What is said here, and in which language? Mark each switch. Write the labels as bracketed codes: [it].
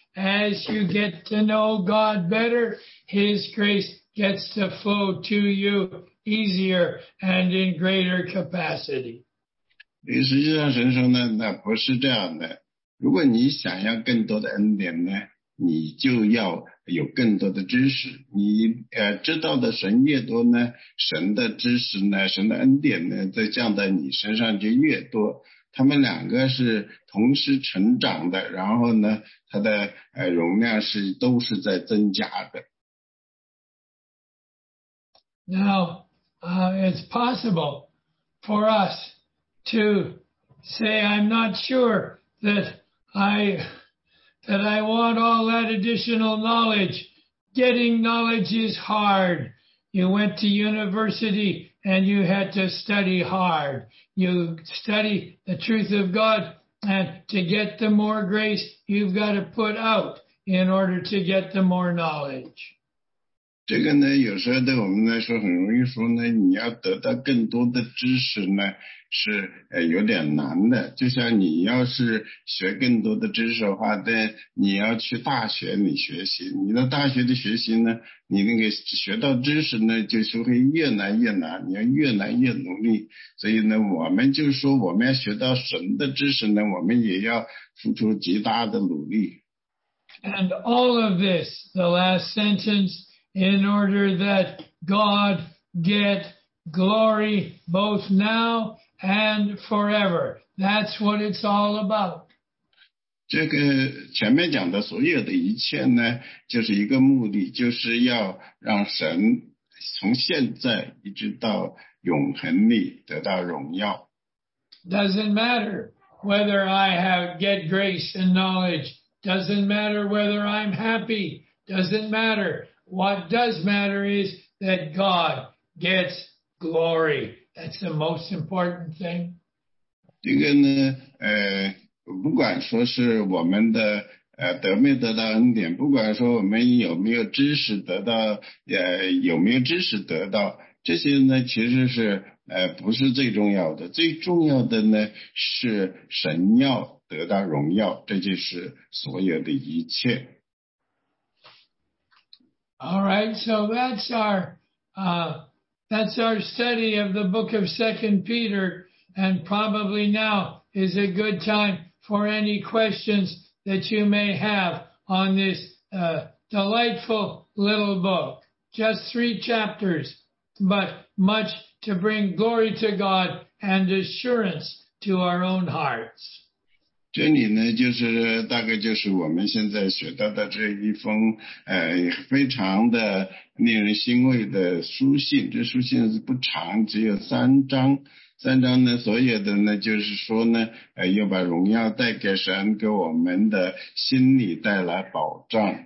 [en] As you get to know God better, His grace gets to flow to you easier and in greater capacity. [zh] 实际上神说呢，那不是这样的。如果你想要更多的恩典呢，你就要有更多的知识。你知道的神越多呢，神的知识呢，神的恩典呢，在降在你身上就越多。他们两个是同时成长的，然后呢，它的容量是都是在增加的。 [en] Now, it's possible for us to say, I'm not sure that I want all that additional knowledge. Getting knowledge is hard. You went to university and you had to study hard. You study the truth of God, and to get the more grace, you've got to put out in order to get the more knowledge. [zh] 这个呢，有时候对我们来说很容易说呢，你要得到更多的知识呢，是有点难的。就像你要是学更多的知识的话，但你要去大学里学习，你的大学的学习呢，你那个学到知识呢，就是会越难越难，你要越难越努力。所以呢，我们就说我们要学到神的知识呢，我们也要付出极大的努力。 [en] And all of this, the last sentence. In order that God get glory both now and forever. That's what it's all about. [zh] 这个前面讲的所有的一切呢，就是一个目的，就是要让神从现在一直到永恒里得到荣耀。 [en] Doesn't matter whether I have get grace and knowledge. Doesn't matter whether I'm happy. Doesn't matter. What does matter is that God gets glory. That's the most important thing. [zh] 这个呢，不管说是我们的，得没得到恩典，不管说我们有没有知识得到，有没有知识得到，这些呢其实是，不是最重要的。最重要的呢是神要得到荣耀，这就是所有的一切。 [en] All right, so that's our study of the book of 2 Peter, and probably now is a good time for any questions that you may have on this delightful little book. Just 3 chapters, but much to bring glory to God and assurance to our own hearts. [zh] 这里呢就是大概就是我们现在学到的这一封非常的令人欣慰的书信。这书信是不长，只有三章呢，所有的呢就是说呢，又把荣耀带给神，给我们的心里带来保障。